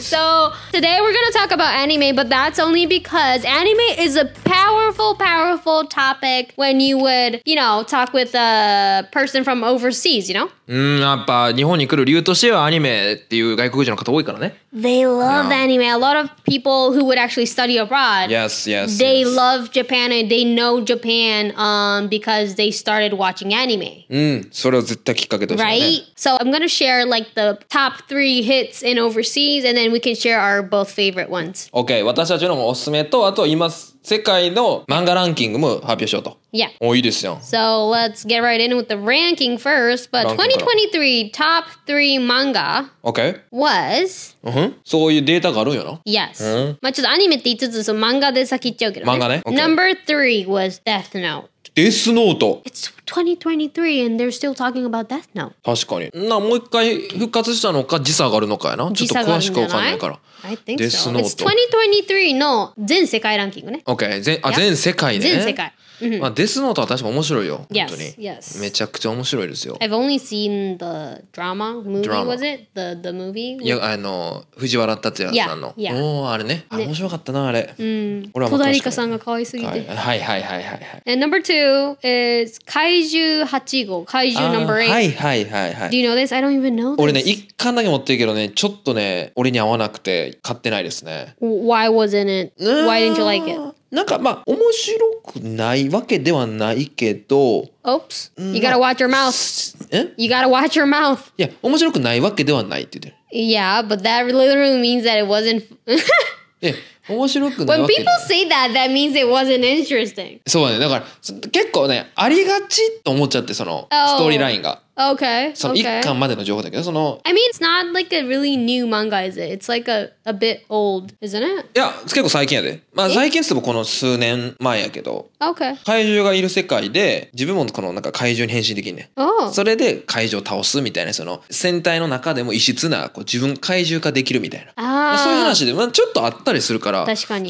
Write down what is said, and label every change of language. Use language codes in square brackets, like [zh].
[en] So, today we're going to talk about anime, but that's only because anime is a powerful topic when you would, you know, talk with a person from overseas, you know? [ja] やっぱ日本に来る理由としてはアニメっていう外国人の方多いからね。 [en] They love anime. A lot of people who would actually study abroad. Yes. They love Japan and they know Japan because they started watching anime. [ja] それは絶対きっかけとしてね。 [en] Right? So I'm gonna share like the top three hits in overseas and then we can share our both favorite ones. Okay, [ja] 私たちのおすすめとあと今世界の漫画ランキングも発表しようと。 [en] Yeah. [ja] おいいですよ。 [en] So let's get right in with the ranking first. But 2023 top three manga was... [ja] そういうデータがあるんやろ? [en] Yes. [ja] まあちょっとアニメって言いつつ、その漫画で先行っちゃうけどね。漫画ね。 [en] Number three was Death Note. Death Note? It's 2023 and they're still talking about Death Note. [ja] 確かに。なあ、もう一回復活したのか時差があるのかやな。ちょっと詳しくわかんないから。 [en] I think Death so. Note. It's 2023 [ja] の全世界ランキングね。 [en] Okay. [ja] 全世界ね。全世界。まあ、デスノートは確か面白いよ。本当に。 [en] Yes. [ja] めちゃくちゃ面白いですよ。 [en] I've only seen the drama movie, was it? The movie? [ja] いや、あの、藤原竜也さんの。 [en] Yeah. [ja] おー、あれね。あれ面白かったな、あれ。うん。戸田梨香さんが可愛すぎて。はい。 [en] And number two is 怪獣八号。怪獣 number eight. [ja] はい。 [en] Do you know this? I don't even know this. [ja] 俺ね、一巻だけ持ってるけどね、ちょっとね、俺に合わなくて買ってないですね。 [en] Why wasn't it? Why didn't you like it? [ja] なんかまあ面白くないわけではないけど [en] Oops! You gotta watch your mouth! You gotta watch your mouth! [ja] いや面白くないわけではないって言ってる [en] Yeah, but that literally means that it wasn't [ja] え、面白くないわけ [en] When people say that, that means it wasn't interesting [ja] そうだね、だから結構ねありがちと思っちゃってその、ストーリーラインが [en] Okay. [ja] その一巻までの情報だけど、その。 [en] I mean, it's not like a really new manga, is it? It's like a bit old, isn't it? [ja] いや、結構最近やで。まあ、最近ってもこの数年前やけど。 [en] Okay. [ja] 怪獣がいる世界で、自分もこのなんか怪獣に変身できんね。それで怪獣を倒すみたいな、その戦隊の中でも異質な、こう自分怪獣化できるみたいな。そういう話で、まあ、ちょっとあったりするから。確かに。